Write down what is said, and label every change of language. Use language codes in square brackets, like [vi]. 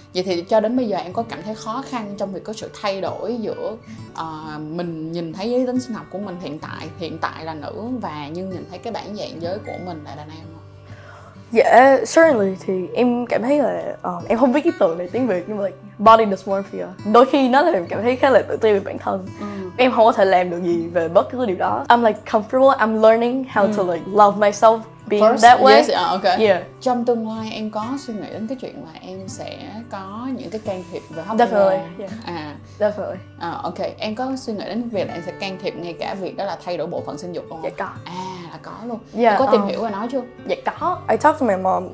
[vi] Vậy thì cho đến bây giờ em có cảm thấy khó khăn trong việc có sự thay đổi giữa mình nhìn thấy giới tính sinh học của mình hiện tại là nữ và nhưng nhìn thấy cái bản dạng giới của mình là đàn em không? Dạ, certainly thì em cảm thấy là em không biết cái từ này tiếng Việt, nhưng mà like, body dysmorphia đôi khi nó làm em cảm thấy khá là tự ti về bản thân. Em không có thể làm được gì về bất cứ điều đó. [en] I'm like comfortable, I'm learning how to like love myself being first, that way. Yes, okay. Yeah. [vi] Trong tương lai em có suy nghĩ đến cái chuyện là em sẽ có những cái can thiệp về hormone. [en] Definitely. Yeah. À. Definitely. À, okay. [vi] Em có suy nghĩ đến việc là em sẽ can thiệp ngay cả việc đó là thay đổi bộ phận sinh dục không? Dạ có. À, là có luôn. Yeah, em có tìm hiểu về nó chưa? Dạ có. [en] I talked to my mom.